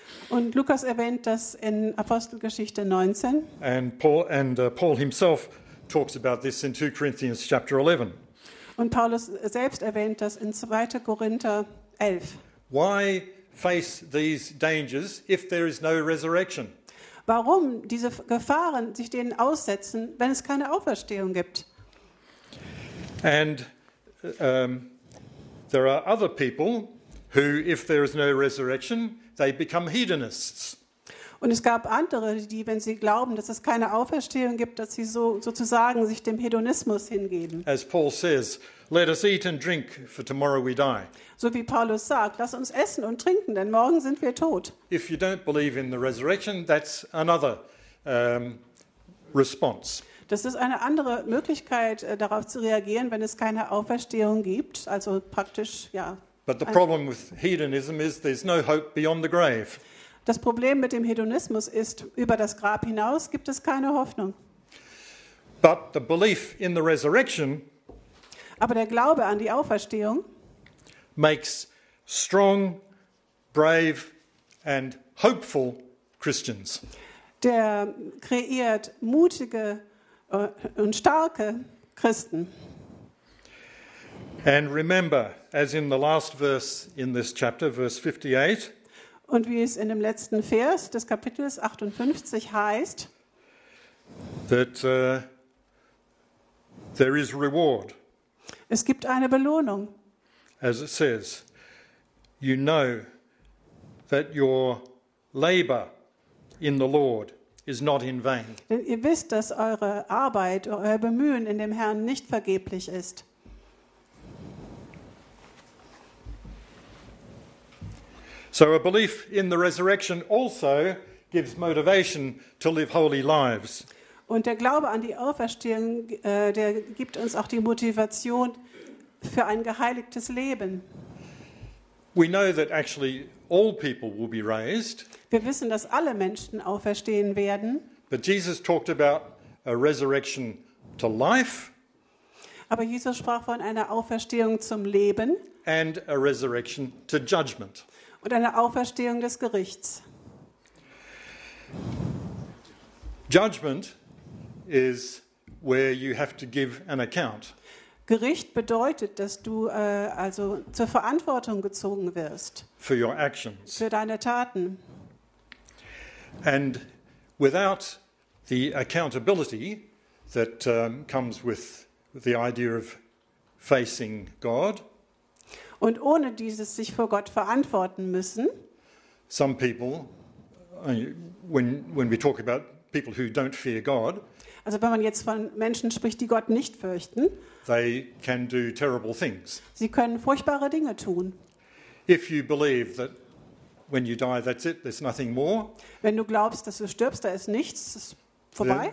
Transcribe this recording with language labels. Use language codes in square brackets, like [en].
[de] Und Lukas erwähnt das in Apostelgeschichte 19. [en] Paul himself talks about this in 2 Corinthians chapter 11. [de] Und Paulus selbst erwähnt das in 2. Korinther 11. [en] Why face these dangers if there is no resurrection? [de] Warum diese Gefahren sich denen aussetzen, wenn es keine Auferstehung gibt? [en] And there are other people who, if there is no resurrection, they become hedonists. [de] Und es gab andere, die, wenn sie glauben, dass es keine Auferstehung gibt, dass sie sozusagen sich dem Hedonismus hingeben. [en] As Paul says, let us eat and drink, for tomorrow we die. [de] So wie Paulus sagt, lass uns essen und trinken, denn morgen sind wir tot. [en] If you don't believe in the resurrection, that's another response. [de] Das ist eine andere Möglichkeit, darauf zu reagieren, wenn es keine Auferstehung gibt. Also praktisch, ja. [en] But the problem with hedonism is there's no hope beyond the grave. [de] Das Problem mit dem Hedonismus ist, über das Grab hinaus gibt es keine Hoffnung. [en] But the belief in the resurrection, [de] aber der Glaube an die Auferstehung, [en] makes strong, brave and hopeful Christians. [de] Der kreiert mutige und starke Christen. [en] And remember, as in the last verse in this chapter, verse 58. [de] Und wie es in dem letzten Vers des Kapitels 58 heißt. [en] that there is reward. [de] Es gibt eine Belohnung. [en] As it says, you know that your labor in the Lord is not in vain. [de] Denn ihr wisst, dass eure Arbeit, euer Bemühen in dem Herrn nicht vergeblich ist. [en] So a belief in the resurrection also gives motivation to live holy lives. [de] Und der Glaube an die Auferstehung, der gibt uns auch die Motivation für ein geheiligtes Leben. [en] We know that actually all people will be raised. [de] Wir wissen, dass alle Menschen auferstehen werden. [en] But Jesus talked about a resurrection to life. [de] Aber Jesus sprach von einer Auferstehung zum Leben. [en] And a resurrection to judgment. [de] Und einer Auferstehung des Gerichts. [en] Judgment is where you have to give an account. [de] Gericht bedeutet, dass du also zur Verantwortung gezogen wirst. [en] For your actions. [de] Für deine Taten. [en] And without the accountability that comes with the idea of facing God. [de] Und ohne dieses sich vor Gott verantworten müssen. [en] Some people, when we talk about people who don't fear God. [de] Also wenn man jetzt von Menschen spricht, die Gott nicht fürchten. [en] They can do terrible things. [de] Sie können furchtbare Dinge tun. [en] If you believe that when you die, that's it, there's nothing more. [de] Wenn du glaubst, dass du stirbst, da ist nichts, ist vorbei.